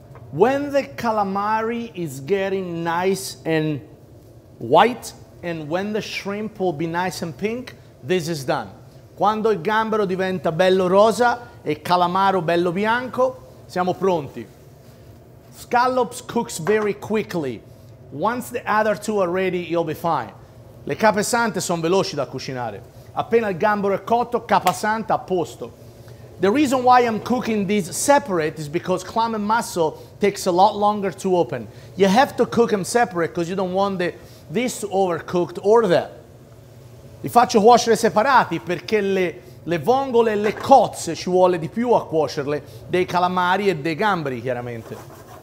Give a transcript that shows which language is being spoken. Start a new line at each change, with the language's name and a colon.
English: When the calamari is getting nice and white, and when the shrimp will be nice and pink, this is done.
Italian: Quando il gambero diventa bello rosa e il calamaro bello bianco, siamo pronti.
English: Scallops cooks very quickly. Once the other two are ready, you'll be fine.
Italian: Le capesante sono veloci da cucinare. Appena il gambero è cotto, capesante a posto.
English: The reason why I'm cooking these separate is because clam and mussel takes a lot longer to open. You have to cook them separate because you don't want this overcooked or that.
Italian: Li faccio cuocere separati perché le vongole e le cozze ci vuole di più a cuocerle, dei calamari e dei gamberi, chiaramente.